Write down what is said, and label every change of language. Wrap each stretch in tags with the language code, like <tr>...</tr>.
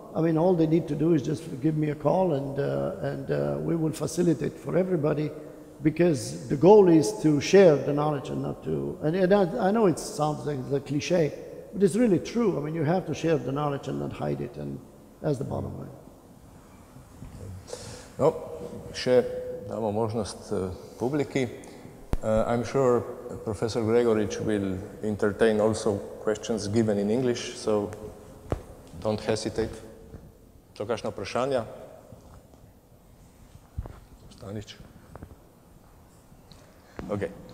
<en>I mean, all they need to do is just give me a call and we will facilitate for everybody, because the goal is to share the knowledge and not to, and I know it sounds like a cliche, but it's really true. I mean, you have to share the knowledge and not hide it, and that's the bottom line.</en> <sl>No, še damo možnost publiki.</sl> <en>I'm sure Professor Gregorič will entertain also questions given in English, so don't hesitate.</en> <sl>So, kakšna vprašanja?</sl> <en>Stanič. Okay.</en>